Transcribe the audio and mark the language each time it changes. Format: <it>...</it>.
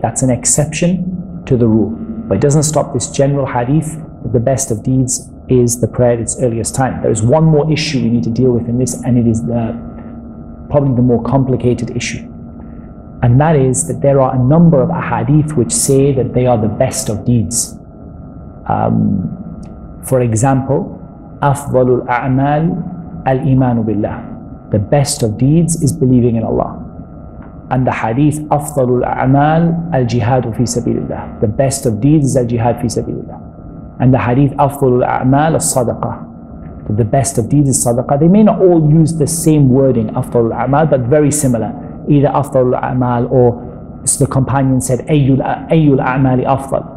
<en>That's an exception to the rule. But it doesn't stop this general hadith that the best of deeds is the prayer at its earliest time. There is one more issue we need to deal with in this, and it is probably the more complicated issue. And that is that there are a number of ahadith which say that they are the best of deeds. For example,</en> <ar>أفضل الأعمال الإيمان بالله.</ar> <en>The best of deeds is believing in Allah. And the hadith</en> <ar>أفضل الأعمال الجهاد في سبيل الله.</ar> <en>The best of deeds is</en> <ar>الجهاد في سبيل الله.</ar> <en>And the hadith</en> <ar>أفضل الأعمال الصدقة.</ar> <en>The best of deeds is صدقة. They may not all use the same wording</en> <ar>أفضل الأعمال,</ar> <en>but very similar. Either</en> <ar>أفضل الأعمال</ar> <en>or the companion said</en> <ar>أي الأعمال أفضل.</ar>